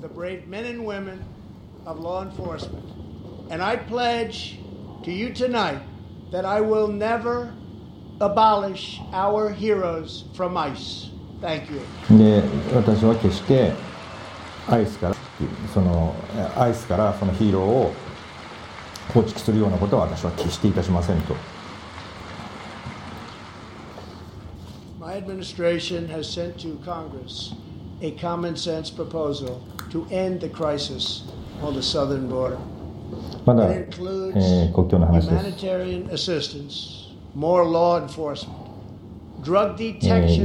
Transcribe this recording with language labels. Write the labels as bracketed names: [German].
[English] The brave men and women of law enforcement. And I pledge to you tonight that I will never abolish our heroes from ICE. Thank you. [Japanese] で、私は決して ICE から、その ICE からそのヒーローを放逐するようなことは私は決していたしませんと。 [English] My administration has sent to Congress a common sense proposal to end the crisis on the southern border. [Japanese] まだ、国境の話です。 [English] Humanitarian assistance, more law enforcement, drug detection,